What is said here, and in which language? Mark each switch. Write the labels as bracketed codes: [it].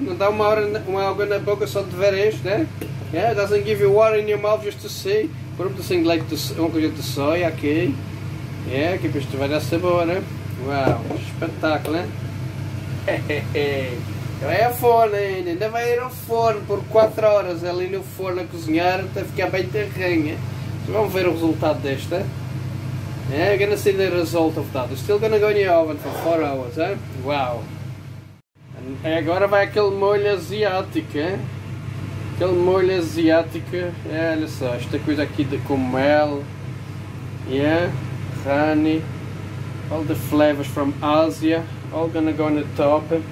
[pt] Não dá uma água na boca só de ver isto, eh? [en] Yeah, it doesn't give you water in your mouth just to see. Put up the thing like this, [pt] um colher de soja aqui. Yeah, que isto vai dar sabor, hein? Uau, espetáculo, hein? Vai ao forno ainda, ainda vai ir ao forno por 4 horas ali no forno a cozinhar até ficar bem terrenha. Vamos ver o resultado desta. [en] Yeah, we're gonna see the result of that. It's still gonna go in the oven for 4 hours, hein? [pt] Uau! Agora vai aquele molho asiático, hein? Aquele molho asiático, é, olha só, esta coisa aqui de com mel, [en] yeah, honey, all the flavors from Asia, all gonna go on the top.